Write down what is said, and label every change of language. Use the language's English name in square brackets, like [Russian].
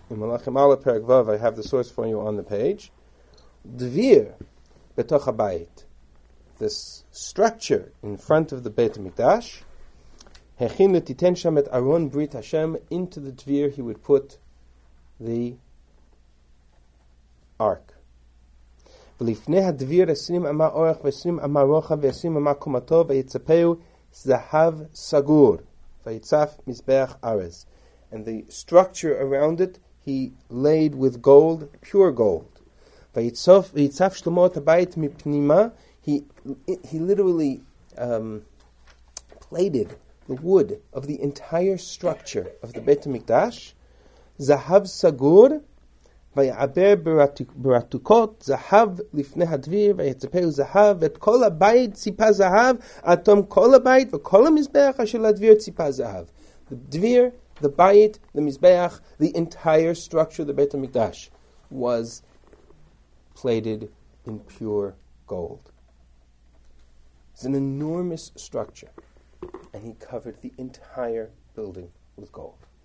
[English] In Malachim Aleph Perek Vav, I have the source for you on the page. [Hebrew] Dvir Betoch HaBayit. [English] This structure in front of the Beit HaMikdash. [Hebrew] Hechin letiten sham et Aron Brit Hashem. [English] Into the Dvir he would put the Ark. [Hebrew] ולפני הדביר 20 אמה אורך ו-20 אמה רוחב ו-20 אמה קומתו ויצפהו זהב סגור ויצף מזבח ארז. [English] And the structure around it he laid with gold, pure gold. [Hebrew] ויצף שלמה את הבית מפנימה. [English] He literally plated the wood of the entire structure of the Beit HaMikdash. [Hebrew] זהב סגור. ויעבר ברתוקות זהב לפני הדביר ויצפהו זהב ואת כל הבית ציפה זהב עד תום כל הבית וכל המזבח אשר לדביר ציפה זהב. [English] The דביר, the בית, the מזבח, the entire structure of the Beit HaMikdash was plated in pure gold. It's an enormous structure and he covered the entire building with gold.